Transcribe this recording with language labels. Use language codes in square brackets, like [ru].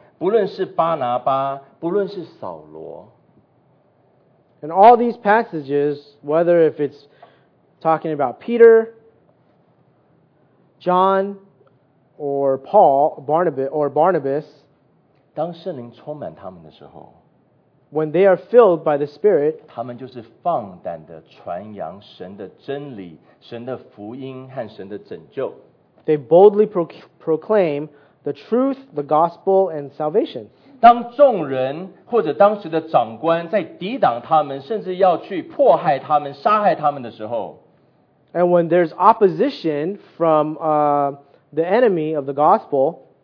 [zh] 这些使徒们，不论是彼得，不论是约翰，不论是巴拿巴，不论是扫罗。 [en] And all these passages, whether if it's talking about Peter, John, or Paul, Barnabas, [zh] 当圣灵充满他们的时候, [en] when they are filled by the Spirit, [zh] 他们就是放胆地传扬神的真理，神的福音和神的拯救。 [en] They boldly proclaim the truth, the gospel, and salvation. [zh] 当众人或者当时的长官在抵挡他们，甚至要去迫害他们、杀害他们的时候， [en] and when there's opposition from the enemy of the gospel,